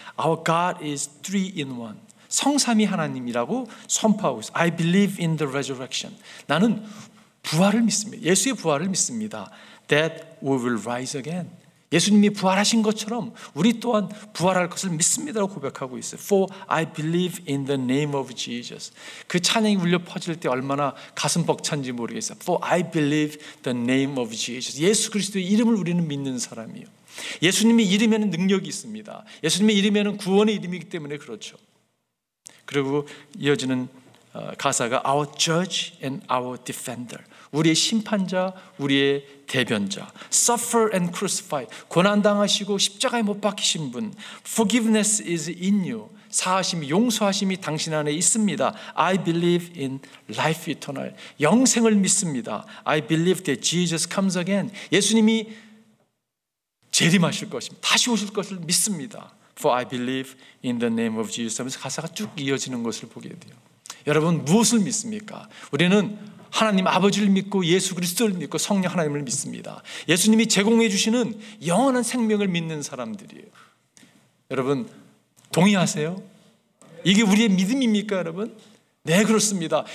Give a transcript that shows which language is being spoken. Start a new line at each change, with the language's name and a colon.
English: Our God is three in one.
Korean: 성삼위 하나님이라고 선포하고 있어요.
English: I believe in the resurrection.
Korean: 나는 부활을 믿습니다. 예수의 부활을 믿습니다.
English: That we will rise again.
Korean: 예수님이 부활하신 것처럼 우리 또한 부활할 것을 믿습니다라고 고백하고 있어요.
English: For I believe in the name of Jesus.
Korean: 그 찬양이 울려 퍼질 때 얼마나 가슴 벅찬지 모르겠어요.
English: For I believe the name of Jesus.
Korean: 예수 그리스도의 이름을 우리는 믿는 사람이에요. 예수님의 이름에는 능력이 있습니다. 예수님의 이름에는 구원의 이름이기 때문에 그렇죠. 그리고 이어지는 가사가
English: Our judge and our defender.
Korean: 우리의 심판자, 우리의 대변자.
English: Suffer and crucify.
Korean: 고난당하시고 십자가에 못 박히신 분.
English: Forgiveness is in you.
Korean: 사하심이, 용서하심이 당신 안에 있습니다.
English: I believe in life eternal.
Korean: 영생을 믿습니다.
English: I believe that Jesus comes again.
Korean: 예수님이 재림하실 것입니다. 다시 오실 것을 믿습니다.
English: For I believe in the name of Jesus.
Korean: 하면서 가사가 쭉 이어지는 것을 보게 돼요. 여러분, 무엇을 믿습니까? 우리는 하나님 아버지를 믿고 예수 그리스도를 믿고 성령 하나님을 믿습니다. 예수님이 제공해 주시는 영원한 생명을 믿는 사람들이에요. 여러분, 동의하세요? 이게 우리의 믿음입니까, 여러분? 네, 그렇습니다.